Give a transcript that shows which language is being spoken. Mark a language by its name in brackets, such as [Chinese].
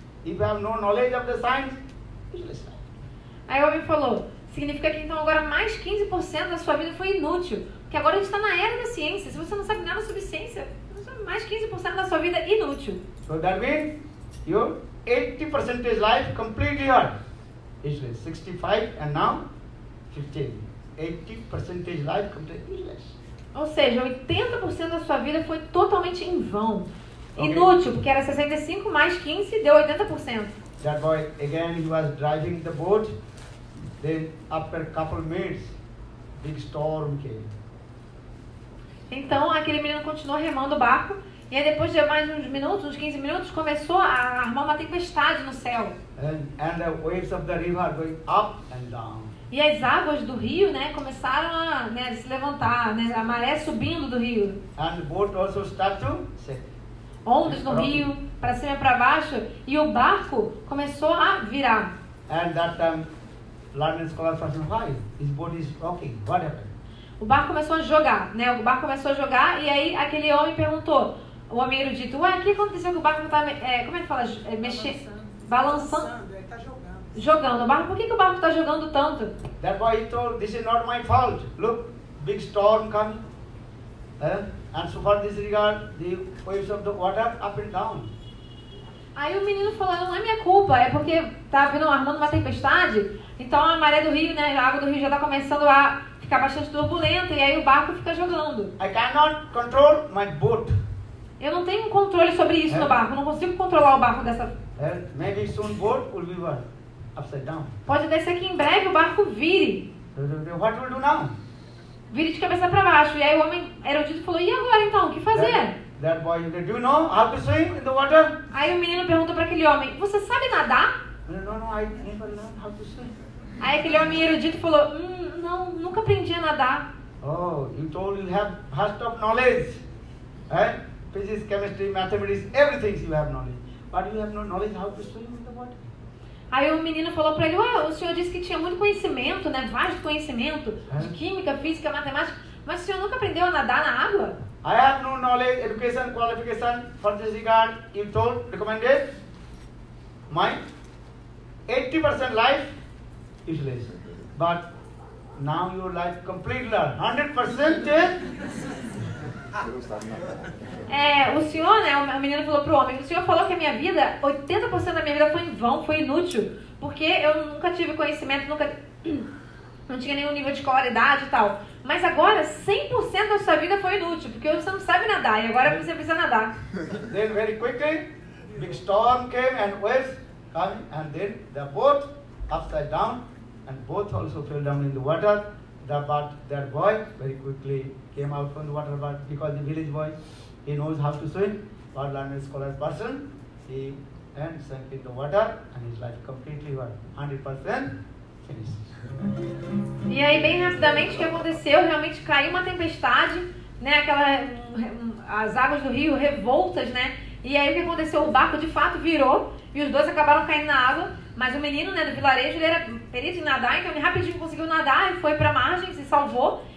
[English] If you have no knowledge of the science, useless. [Portuguese] Aí o homem falou, significa que então agora mais 15% da sua vida foi inútil. Porque agora a gente está na era da ciência. Se você não sabe nada sobre ciência, mais 15% da sua vida é inútil. [English] So that means you 80% life completely hard. Useless. 65 and now 15. 80% life completely useless. [Portuguese] Ou seja, 80% da sua vida foi totalmente em vão. Okay. Inútil, porque era 65 mais 15 deu 80%. [English] That boy again he was driving the boat. Then after a couple of minutes, big storm came. [Portuguese] Então aquele menino continuou remando o barco. E aí depois de mais uns minutos, uns 15 minutos, começou a armar uma tempestade no céu. [English] And the waves of the river going up and down. [Portuguese] E as águas do rio, né, começaram a, né, se levantar, né, a maré subindo do rio. [English] And boat also start to [Portuguese] ondas no rio, para cima e para baixo, e o barco começou a virar. [English] And that time, Larnes called for some help. His boat is rocking. What happened? [Portuguese] O barco começou a jogar, né? O barco começou a jogar, e aí aquele homem perguntou, o homem erudito, ué, o que aconteceu que o barco não tá, como é que fala, mexendo? Balançando. Jogando o barco. Por que que o barco está jogando tanto? [English] That boy told, this is not my fault. Look, big storm coming. And so far disregard the waves of the water up and down. [Portuguese] Aí o menino falou, não é minha culpa, é porque tá vindo, armando uma tempestade. Então a maré do rio, né, a água do rio já está começando a ficar bastante turbulenta e aí o barco fica jogando. [English] I cannot control my boat. [Portuguese] Eu não tenho controle sobre isso no barco. Não consigo controlar o barco dessa. [English] Maybe soon boat will be what? Upside down. [Portuguese] Pode até ser que em breve o barco vire. [English] What will do now? [Portuguese] Vire de cabeça para baixo. E aí o homem erudito falou, e agora então, o que fazer? [English] That boy, do you know how to swim in the water? [Portuguese] Aí o menino pergunta para aquele homem, você sabe nadar? [English] No, I never learned how to swim. [Portuguese] Aí aquele homem erudito falou, não, nunca aprendi a nadar. [English] Oh, you told you have vast of knowledge. Eh? Physics, chemistry, mathematics, everything you have knowledge. But you have no knowledge how to swim in the water. [Portuguese] Aí o menino falou para ele, o senhor disse que tinha muito conhecimento, né, vasto conhecimento de química, física, matemática, mas o senhor nunca aprendeu a nadar na água? [English] I have no knowledge, education, qualification for this regard, you told, recommended, my 80% life is less, but now your life completely 100% is... [Portuguese] O senhor, né, o menino falou pro homem, o senhor falou que a minha vida, 80% da minha vida foi em vão, foi inútil, porque eu nunca tive conhecimento, nunca, não tinha nenhum nível de escolaridade e tal, mas agora 100% da sua vida foi inútil, porque você não sabe nadar, e agora você precisa nadar. [English] Then very quickly, big storm came and waves came, and then the boat upside down, and both also fell down in the water. But that boy very quickly came out from the water, but because the village boy, he knows how to swim, but learned scholar person, he and sank in the water and his life completely was 100% finished. [Portuguese] E aí bem rapidamente o que aconteceu, realmente caiu uma tempestade, né, aquela, as águas do rio revoltas, né, e aí o que aconteceu, o barco de fato virou e os dois acabaram caindo na água. Mas o menino, né, do vilarejo, ele era perito em nadar, então ele rapidinho conseguiu nadar e foi para a margem, se salvou.